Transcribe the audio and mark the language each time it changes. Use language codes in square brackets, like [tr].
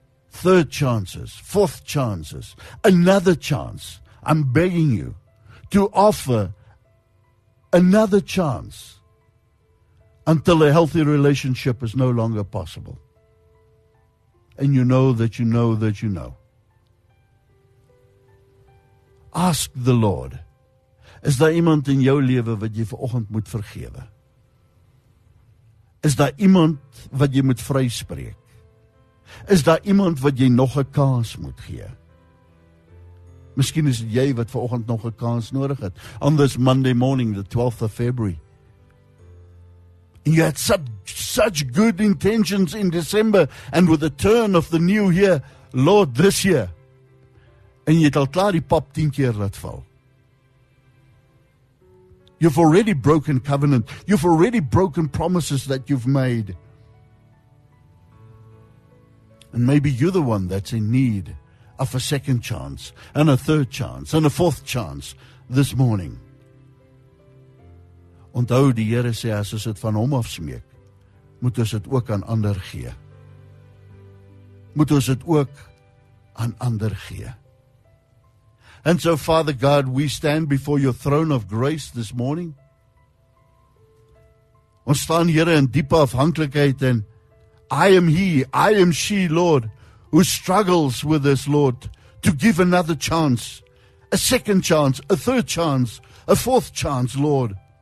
[en] Third chances, fourth chances, another chance. I'm begging you to offer another chance until a healthy relationship is no longer possible. And you know that you know that you know. Ask the Lord. Is there [af] iemand in jou lewe wat jy vanoggend moet vergewe? Is daar iemand wat jy moet vryspreek? Is daar iemand wat jy nog 'n kans moet gee? Miskien is dit jy wat vanoggend nog 'n kans nodig het. [en] On this Monday morning, the 12th of February. You had such good intentions in December and with the turn of the new year, Lord, this year. And you [af] het al klaar die pap 10 keer laat val. [en] You've already broken covenant. You've already broken promises that you've made. And maybe you're the one that's in need of a second chance and a third chance and a fourth chance this morning. [af] Onthou, die Here sê, as ons het van hom afsmeek, moet ons het ook aan ander gee. Moet ons het ook aan ander gee. [en] And so, Father God, we stand before your throne of grace this morning. [af] Ons staan, Here, in diepe afhanklikheid, en [en] I am he, I am she, Lord, who struggles with this, Lord, to give another chance, a second chance, a third chance, a fourth chance, Lord.